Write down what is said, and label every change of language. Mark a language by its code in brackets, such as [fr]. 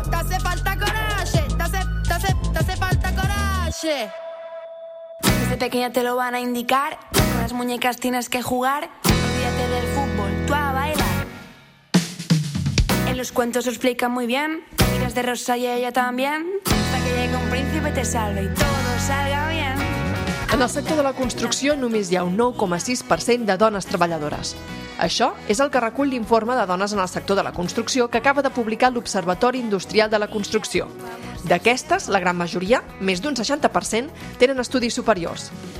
[es] Desse falta coragem, desse falta coragem. Desde pequeña te lo van a indicar, con las muñecas tienes que jugar. Olvídate del fútbol, tú a bailar. Los cuentos lo explican muy bien, miras de rosa y ella también, hasta que llegue un príncipe te salve y todo salga bien. [ca] En el sector de la construcció només hi ha un 9,6% de dones treballadores. Això és el que recull l'informe de dones en el sector de la construcció que acaba de publicar l'Observatori Industrial de la Construcció. D'aquestes, la gran majoria, més d'un 60%, tenen estudis superiors.